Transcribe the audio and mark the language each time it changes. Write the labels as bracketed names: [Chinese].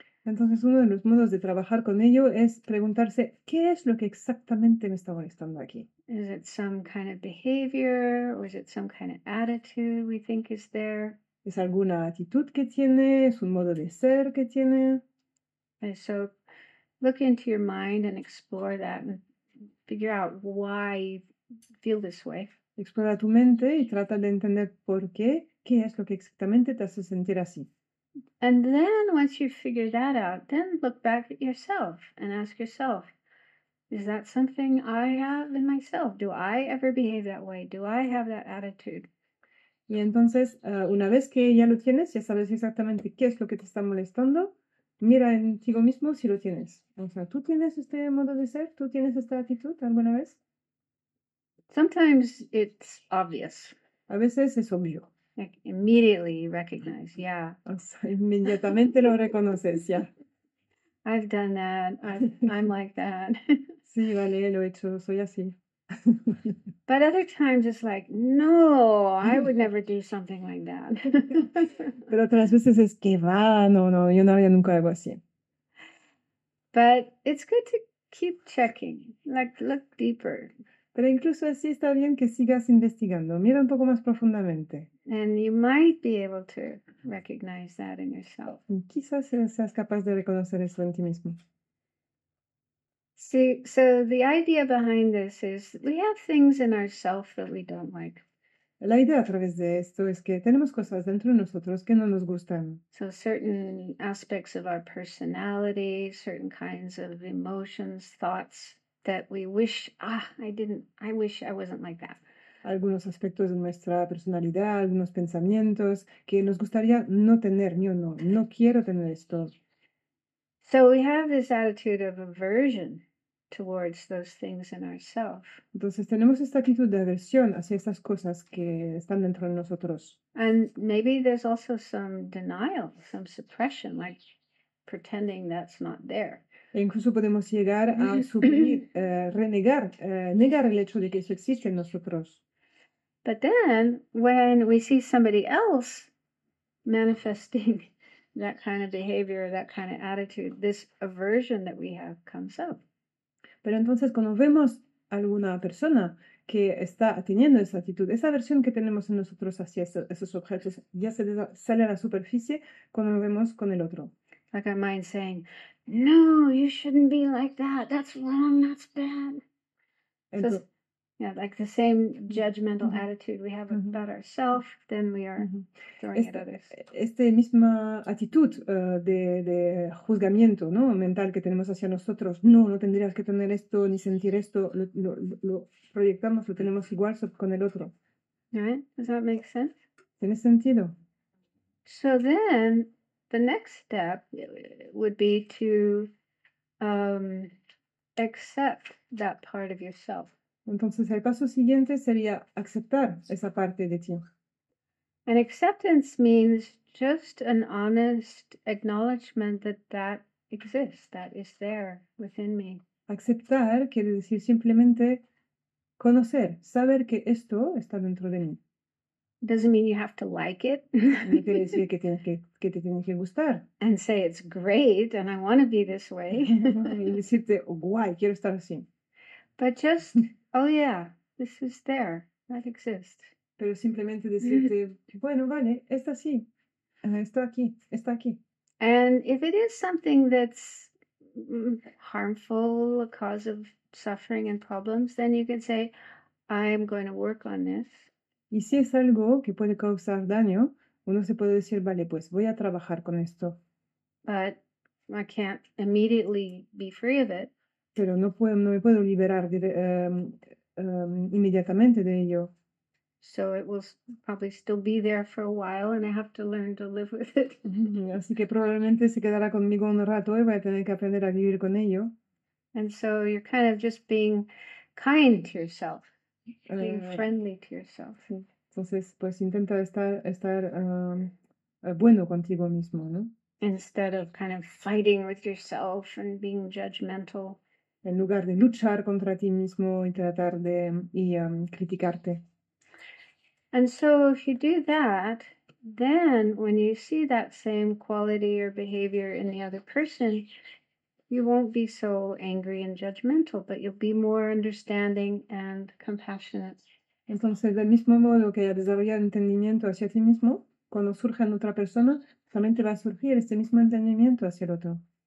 [Spanish] Entonces, uno de los modos de trabajar con ello es preguntarse, ¿qué es lo que exactamente me está molestando aquí? [English] Is it some kind of behavior or is it some kind of attitude we think is there? [Spanish] ¿Es alguna actitud que tiene? ¿Es un modo de ser que tiene? [English] And so look into your mind and explore that and figure out why you feel this way. [Spanish] Explora tu mente y trata de entender por qué, qué es lo que exactamente te hace sentir así. [English] And then once you figure that out, then look back at yourself and ask yourself, is that something I have in myself? Do I ever behave that way? Do I have that attitude? [Spanish] Y entonces, una vez que ya lo tienes, ya sabes exactamente qué es lo que te está molestando, mira en ti mismo si lo tienes. O sea, ¿tú tienes este modo de ser? ¿Tú tienes esta actitud alguna vez? [English] Sometimes it's obvious. [Spanish] A veces es obvio. [English] Like immediately recognize, yeah. [Spanish] O sea, inmediatamente lo reconoces ya. [English] I've done that. I'm like that. [Spanish] Sí, vale, lo he hecho, soy así. [English] But other times it's like, no, I would never do something like [Spanish] Pero [English] that. [Spanish] otras veces es que va, no, yo no haría nunca algo así. [English] But it's good to keep checking, like look deeper. [Spanish] Pero incluso así está bien que sigas investigando, mira un poco más profundamente. [English] And you might be able to recognize that in yourself. [Spanish] Y quizás seas capaz de reconocer eso en ti mismo. [English] See, so the idea behind this is we have things in ourselves that we don't like. [Spanish] La idea a través de esto es que tenemos cosas dentro de nosotros que no nos gustan. [English] So certain aspects of our personality, certain kinds of emotions, thoughts that we wish, I wish I wasn't like that. [Spanish] algunos aspectos de nuestra personalidad, algunos pensamientos que nos gustaría no tener, yo no quiero tener esto. [English] So we have this attitude of aversion towards those things in ourselves. [Spanish] Entonces tenemos esta actitud de aversión hacia estas cosas que están dentro de nosotros. [English] And maybe there's also some denial, some suppression, like pretending that's not there. [Spanish] E incluso podemos llegar a suprimir, renegar, negar el hecho de que eso existe en nosotros. [English] But then, when we see somebody else manifesting that kind of behavior, that kind of attitude, this aversion that we have comes up. [Spanish] Pero entonces, cuando vemos alguna persona que está teniendo esa actitud, esa aversión que tenemos en nosotros hacia esos objetos, ya se sale a la superficie cuando lo vemos con el otro. [English] Like our mind saying, no, you shouldn't be like that. That's wrong. That's bad. [Spanish] Entonces, [English] so, yeah, like the same judgmental attitude we have about ourselves, then we are throwing [Spanish] esta, [English] at others. [Spanish] Esta misma actitud de juzgamiento, ¿no? Mental que tenemos hacia nosotros. No, no tendrías que tener esto ni sentir esto. Lo proyectamos, lo tenemos igual con el otro. [English] Right? Does that make sense? [Spanish] ¿Tiene sentido? [English] So then, the next step would be to accept that part of yourself. [Spanish] Entonces, el paso siguiente sería aceptar esa parte de ti. [English] And acceptance means just an honest acknowledgement that that exists, that is there within me. [Spanish] Aceptar quiere decir simplemente conocer, saber que esto está dentro de mí. [English] Doesn't mean you have to like it. [Spanish] No quiere decir que tienes que te tiene que gustar. [English] And say it's great and I want to be this way. [Spanish] Y decirte, oh, guay, quiero estar así. [English] But just, oh yeah, this is there. That exists. [Spanish] Pero simplemente decirte, bueno, vale, está así. Está aquí, está aquí. [English] And if it is something that's harmful, a cause of suffering and problems, then you can say, I'm going to work on this. [Spanish] Y si es algo que puede causar daño, uno se puede decir, vale, pues voy a trabajar con esto. [English] But I can't immediately be free of it. [Spanish] Pero no puedo, no me puedo liberar inmediatamente de ello. [English] So it will probably still be there for a while and I have to learn to live with it. [Spanish] Así que probablemente se quedará conmigo un rato y voy a tener que aprender a vivir con ello. [English] And so you're kind of just being kind to yourself. Being friendly to yourself. [Spanish] Entonces, pues intenta estar bueno contigo mismo, ¿no? [English] Instead of kind of fighting with yourself and being judgmental. [Spanish] En lugar de luchar contra ti mismo y tratar de criticarte. [English] And so, if you do that, then when you see that same quality or behavior in the other person, you won't be so angry and judgmental, but you'll be more understanding and compassionate. [Spanish] Entonces, del mismo modo que hayas desarrollado entendimiento hacia ti mismo, cuando surja en otra persona, también te va a surgir este mismo entendimiento hacia el otro.